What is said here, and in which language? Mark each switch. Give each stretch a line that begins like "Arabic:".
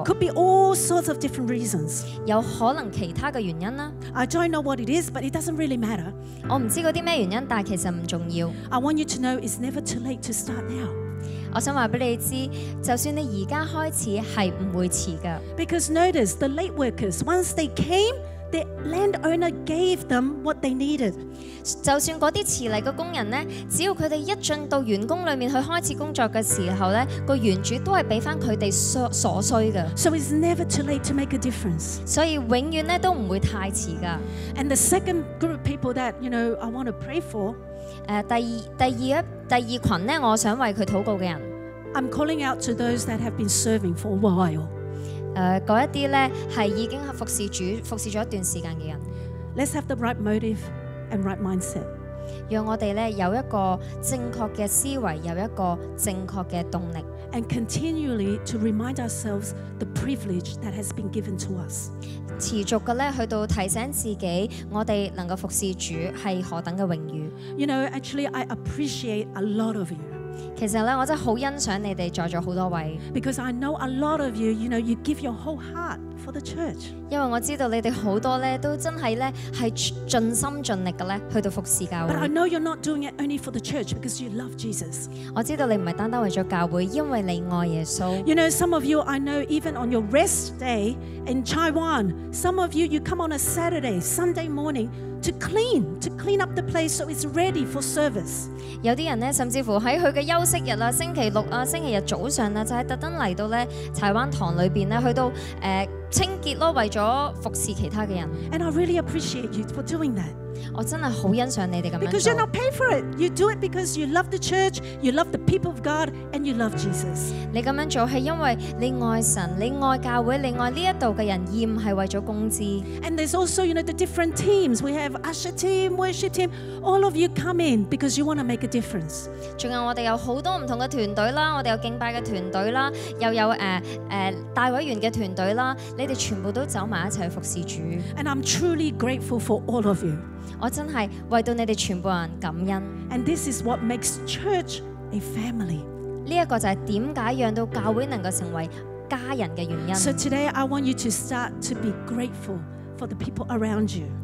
English: It could be all sorts of different reasons.
Cantonese: 有可能其他嘅原因啦。
English: I don't know what it is, but it doesn't really matter.
Cantonese: 我唔知嗰啲咩原因，但係其實唔重要。
English: I want you to know it's never too late to start now.
Cantonese: 我想話俾你知，就算你而家開始係唔會遲㗎。
English: Because notice the late workers, once they came, they landowner gave them what they needed.
Cantonese: 就算嗰啲遲嚟嘅工人咧，只要佢哋一進到園工裏面去開始工作嘅時候咧，個園主都係俾翻佢哋所需嘅。
English: So it's never too late to make a difference.
Cantonese: 所以永遠咧都唔會太遲噶。
English: And the second group of people that you know I want to pray for.
Cantonese: 第二群咧，我想為佢禱告嘅人。
English: I'm calling out to those that have been serving for a while.
Cantonese: 嗰一啲咧係已經服侍主服侍咗一段時間嘅人。
English: Let's have the right motive and right mindset.
Cantonese: 讓我哋咧有一個正確嘅思維，有一個正確嘅動力。
English: And continually to remind ourselves the privilege that has been given to us.
Cantonese: 持續嘅咧去到提醒自己，我哋能夠服侍主係何等嘅榮譽。
English: You know, actually, I appreciate a lot of you.
Cantonese: 其實咧，我真係好欣賞你哋在座好多位。
English: Because I know a lot of you, you know, you give your whole heart for the church.
Cantonese: 因為我知道你哋好多咧，都真係咧係盡心盡力嘅咧，去到服侍教會。
English: But I know you're not doing it only for the church because you love Jesus.
Cantonese: 我知道你唔係單單為咗教會，因為你愛耶穌。
English: You know, some of you I know even on your rest day in Chai Wan, some of you you come on a Saturday, Sunday morning. To clean up the place so it's ready for service.
Cantonese: 有啲人咧，甚至乎喺佢嘅休息日啦，星期六啊，星期日早上啦，就係特登嚟到咧柴灣堂裏邊咧，去到清潔咯，為咗服侍其他嘅人。
English: And I really appreciate you for doing that.
Cantonese: 我真係好欣賞你哋咁樣做。
English: Because you're not paid for it. You do it because you love the church, you love the people of God, and you love Jesus.
Cantonese: 你咁樣做係因為你愛神，你愛教會，你愛呢一度嘅人，而唔係為咗工資。
English: And there's also, you know, the different teams. We have usher team, worship team. All of you come in because you want to make a difference.
Cantonese: 仲有我哋有好多唔同嘅團隊啦，我哋有敬拜嘅團隊啦，又有大委員嘅團隊啦。你哋全部都走埋一齊去服侍主。
English: And I'm truly grateful for all of you.
Cantonese: 我真係為到你哋全部人感恩。
English: And this is what makes church a family.
Cantonese: 呢個就係點解讓到教會能夠成為家人嘅原因。
English: So today I want you to start to be grateful for the people around you.